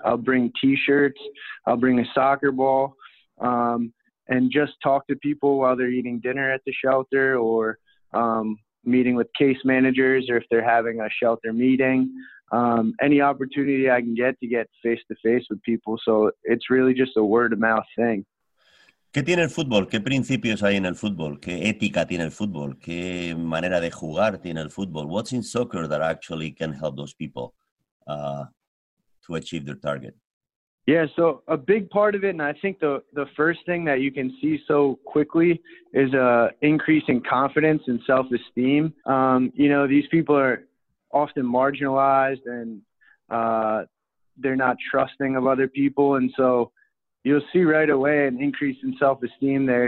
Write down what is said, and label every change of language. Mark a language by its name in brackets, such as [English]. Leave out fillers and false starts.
[English] I'll bring t-shirts, I'll bring a soccer ball, and just talk to people while they're eating dinner at the shelter, or meeting with case managers, or if they're having a shelter meeting. Any opportunity I can get face to face with people. So it's really just a word of mouth thing. [Spanish] ¿Qué tiene el fútbol? ¿Qué principios hay en el fútbol? ¿Qué ética tiene el fútbol? ¿Qué manera de jugar tiene el fútbol? [English] What's in soccer that actually can help those people to achieve their target? Yeah, so a big part of it, and I think the first thing that you can see so quickly is an increase in confidence and self-esteem. You know, these people are often marginalized, and they're not trusting of other people, and so you'll see right away an increase in self-esteem.